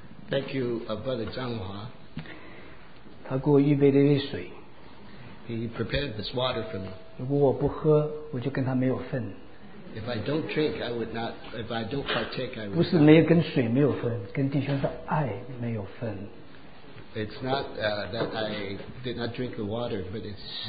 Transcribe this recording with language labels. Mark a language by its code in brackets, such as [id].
[en] Thank you, Brother 张华。 [zh] 他给我预备了一杯水。 [en] He prepared this water for me. [zh] 如果我不喝，我就跟他没有份。 [en] If I don't drink, I would not. If I don't partake, I would not. [zh] 不是没有跟水没有份，跟弟兄的爱没有份。 [en] It's not that I did not drink the water, but it's